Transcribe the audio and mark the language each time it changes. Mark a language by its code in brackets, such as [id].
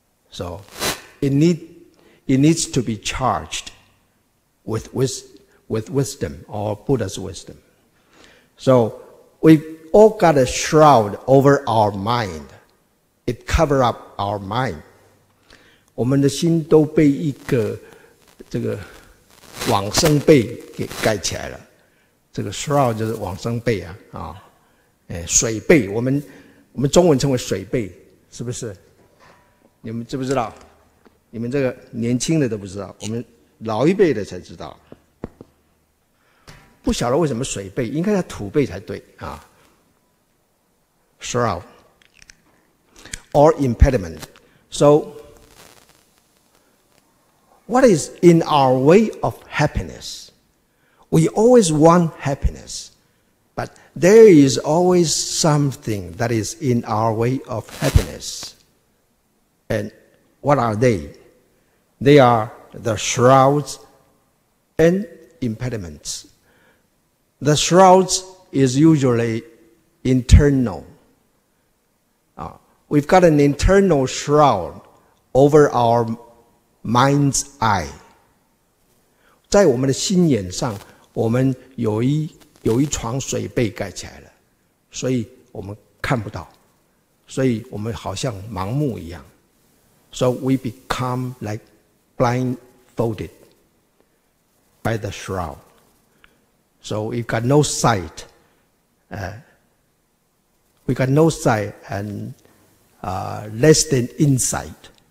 [en] So, it needs to be charged with wisdom or Buddha's wisdom. So, we've all got a shroud over our mind. It cover up our mind. [zh] 我们的心都被一个这个网生被给盖起来了。这个 shroud 就是往生被啊，啊，哎，水被，我们中文称为水被，是不是？你们知不知道？你们这个年轻的都不知道，我们老一辈的才知道。不晓得为什么水被，应该叫土被才对啊。 [en] shroud or impediment. So, what is in our way of happiness? We always want happiness, but there is always something that is in our way of happiness. And what are they? They are the shrouds and impediments. The shrouds is usually internal. We've got an internal shroud over our mind's eye. [zh] 在我们的心眼上我们有一床水被盖起来了，所以我们看不到，所以我们好像盲目一样。 [en] So we become like blindfolded by the shroud. So we've got no sight. We got no sight and less than insight.